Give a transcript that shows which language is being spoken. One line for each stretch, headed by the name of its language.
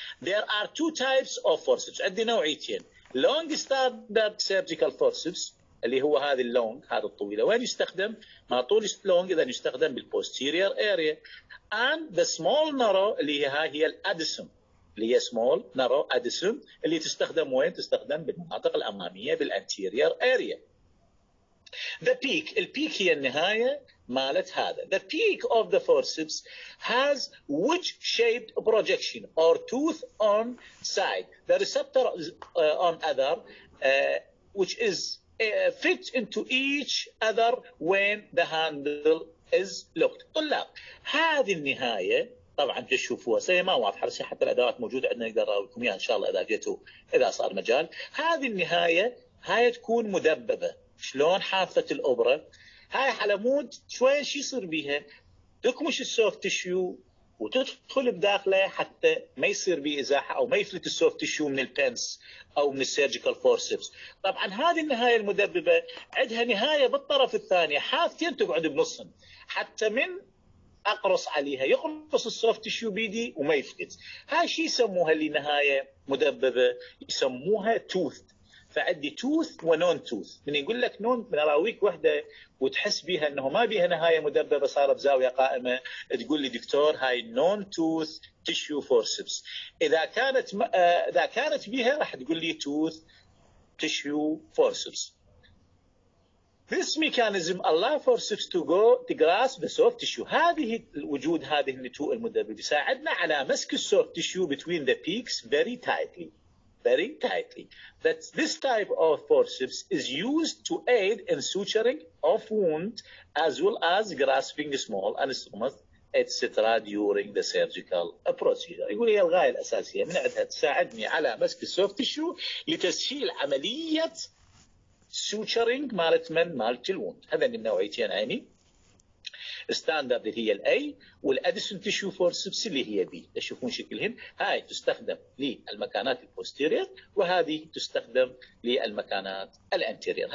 English: There are two types of forceps
Arabic: عندي نوعيتين
English: long standard surgical forceps
Arabic: اللي هو هذه اللونج هذا الطويله وين يستخدم؟ ما طول اللونج اذا يستخدم بالبوستيريور اريا and the small narrow اللي هي هاي هي الادسم اللي هي
English: small narrow adhesion
Arabic: اللي تستخدم وين؟ تستخدم بالمناطق الأمامية بالanterior area.
English: The peak.
Arabic: البيك هي النهاية مالت هذا.
English: The peak of the forceps has wedge-shaped projection or tooth on side. The receptor on other which is fit into each other when the handle is locked.
Arabic: طلاب هذه النهاية طبعا تشوفوها سي ما واضحه بس حتى الادوات موجوده عندنا نقدر نراويكم اياها ان شاء الله اذا جيتوا اذا صار مجال. هذه النهايه هاي تكون مدببه شلون حافه الابره هاي على مود شوي ايش يصير بيها تكمش السوفت تيشو وتدخل بداخله حتى ما يصير به ازاحه او ما يفلت السوفت تيشو من البنس او من السيرجيكال فورسبس. طبعا هذه النهايه المدببه عندها نهايه بالطرف الثاني حافتين تقعد بنصهم حتى من اقرص عليها يقرص السوفت تيشو بيدي وما يفقد. هاي شيء يسموها اللي نهايه مدببه يسموها توث. فعندي توث ونون توث. من يقول لك نون من اراويك وحده وتحس بها انه ما بها نهايه مدببه صارت بزاويه قائمه، تقول لي دكتور هاي نون توث تيشو فورسبس. اذا كانت بها راح تقول لي توث تيشو فورسبس.
English: This mechanism allows forceps to go to grasp the soft tissue.
Arabic: هذه الوجود هذه النتوء المدببة يساعدنا على مسك
English: soft tissue between the peaks very tightly, very tightly. That this type of forceps is used to aid in suturing of wound as well as grasping small anastomosis etc. during the surgical procedure.
Arabic: يقول هي الغاية الأساسية من عندها تساعدني على مسك soft tissue لتسهيل عملية suturing مالت من مالت الوند. هذا من نوعيتين عيني ستاندرد اللي هي الاي والاديسون تيشو فورسبس اللي هي بي. تشوفون شكلهم، هاي تستخدم للمكانات البوستيرير وهذه تستخدم للمكانات الانتيرير.